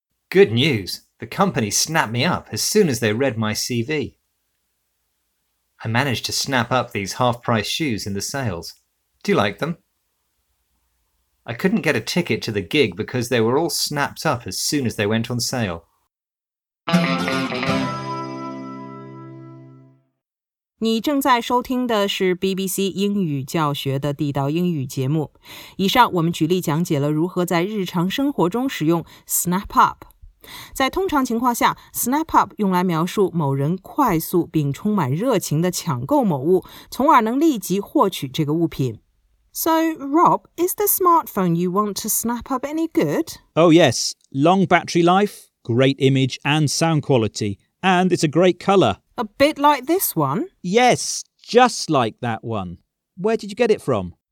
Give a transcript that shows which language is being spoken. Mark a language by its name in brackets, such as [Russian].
[English] Good news, the company snapped me up as soon as they read my CV. I managed to snap up these half price shoes in the sales. Do you like them? I couldn't get a ticket to the gig because they were all snapped up as soon as they went on sale. [Chinese] 你正在收听的是 BBC 英语教学的地道英语节目。以上我们举例讲解了如何在日常生活中使用 snap up。在通常情况下 ,snap up 用来描述某人快速并充满热情地抢购某物,从而能立即获取这个物品。 [English] So, Rob, is the smartphone you want to snap up any good? Oh yes, long battery life, great image and sound quality, and it's a great colour. A bit like this one? Yes, just like that one. Where did you get it from?